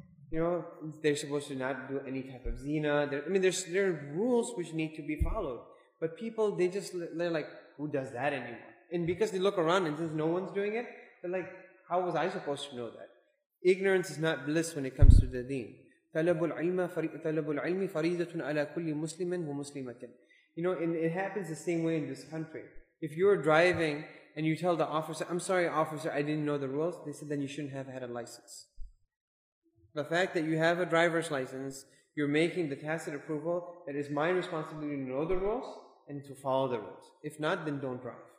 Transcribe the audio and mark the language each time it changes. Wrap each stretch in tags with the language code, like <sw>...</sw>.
<en>They're supposed to not do any type of zina. There are rules which need to be followed. But people, they're like, who does that anymore? And because they look around and since no one's doing it, they're like, how was I supposed to know that? Ignorance is not bliss when it comes to the deen.</en> <ar>طلب العلم فريضة على كل مسلم ومسلمة.</ar> <en>And it happens the same way in this country. If you're driving and you tell the officer, I'm sorry, officer, I didn't know the rules, they said, then you shouldn't have had a license. The fact that you have a driver's license, you're making the tacit approval that it's my responsibility to know the rules and to follow the rules. If not, then don't drive.</en>